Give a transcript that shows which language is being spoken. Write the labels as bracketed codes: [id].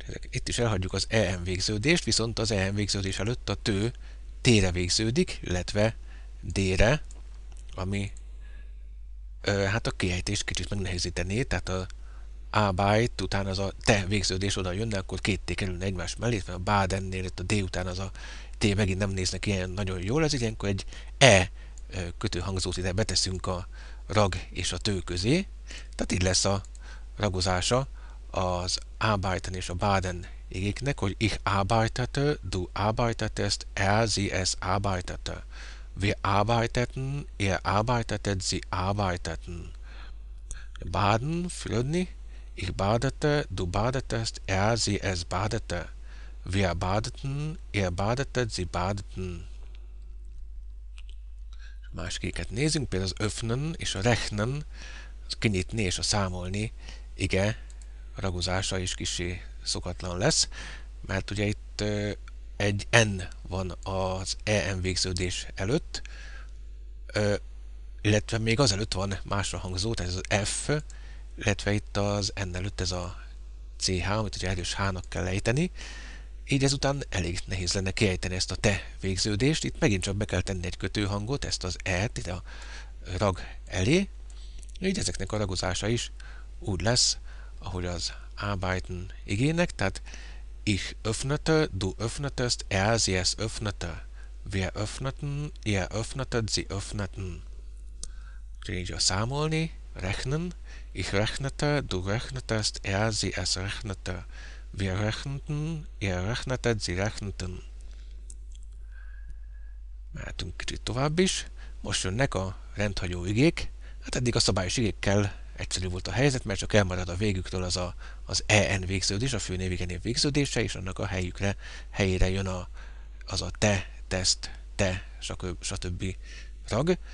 [hu] Itt is elhagyjuk az EN végződést, viszont az EN végződés előtt a tő T-re végződik, illetve D-re, ami hát a kiejtést kicsit megnehezítené, tehát a Arbeit után az a te végződés oda jönne, akkor két T kerülne egymás mellé, mert a Badennél itt a D után az a T megint nem néznek ilyen nagyon jól, ez ilyenkor egy E kötőhangzót ide beteszünk a rag és a tő közé, tehát így lesz a ragozása az Arbeiten és a Baden igéknek, hogy [de] ich arbeitete, du arbeitetest, er, sie es arbeitete. Wir arbeiteten, ihr arbeitetet, sie arbeiteten. Baden, fürödni, ich badete, du badetest, er, sie es badete. Wir badeten, ihr badetet, sie badeten. [hu] Más kéket nézünk, például az öffnen és a rechnen, az kinyitni és a számolni, ige ragozása is kicsi szokatlan lesz, mert ugye itt egy N van az EN végződés előtt. illetve még azelőtt van másra hangzó, tehát ez az F, illetve itt az N előtt ez a CH, amit ugye erős H-nak kell ejteni. Így ezután elég nehéz lenne kiejteni ezt a te végződést. Itt megint csak be kell tenni egy kötőhangot, ezt az E-t ide a rag elé. Így ezeknek a ragozása is úgy lesz, ahogy az Arbeiten igének, tehát [de] ich öffnete, du öffnetest, er, sie es öffnete, wir öffneten, ihr öffnetet, sie öffneten. [hu] Úgyhogy így a számolni, [de] rechnen, ich rechnete, du rechnetest, er, sie es rechnete, wir rechneten, ihr rechnetet, sie rechneten. [hu] Mehetünk kicsit tovább is, most jönnek a rendhagyó igék, hát eddig a szabályos igékkel egyszerű volt a helyzet, mert csak elmarad a végüktől az az EN végződés, a főnév igenév végződése, és annak a helyére jön az a te, teszt, te, stb. Rag.